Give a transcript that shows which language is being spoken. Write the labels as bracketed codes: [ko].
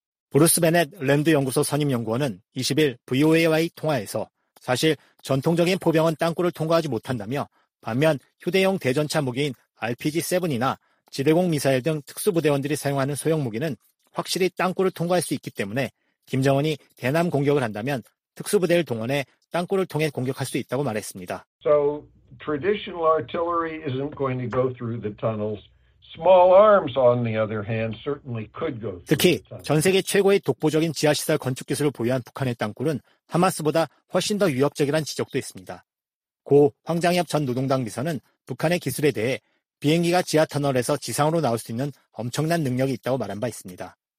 [ko] 브루스 베넷 랜드 연구소 선임 연구원은 20일 VOA와의 통화에서 사실 전통적인 포병은 땅굴을 통과하지 못한다며 반면 휴대용 대전차 무기인 RPG-7이나 지대공 미사일 등 특수부대원들이 사용하는 소형 무기는 확실히 땅굴을 통과할 수 있기 때문에 김정은이 대남 공격을 한다면 특수부대를 동원해 땅굴을 통해 공격할 수 있다고 말했습니다. [en] So traditional artillery isn't going to go through the tunnels. Small arms, on the other hand, certainly could go through. [ko] 특히 전 세계 최고의 독보적인 지하시설 건축 기술을 보유한 북한의 땅굴은 하마스보다 훨씬 더 위협적이란 지적도 있습니다. 고 황장엽 전 노동당 비서는 북한의 기술에 대해 비행기가 지하 터널에서 지상으로 나올 수 있는 엄청난 능력이 있다고 말한 바 있습니다.